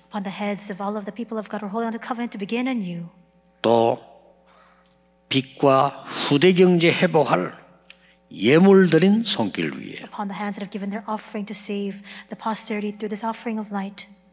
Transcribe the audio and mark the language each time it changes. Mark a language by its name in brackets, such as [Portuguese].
[English] upon the heads of all of the people of God are holding on to covenant to begin anew [Korean] 또 빛과 후대 경제 회복할 예물 드린 손길 위해 [English] upon the hands that have given their offering to save the posterity through this offering of light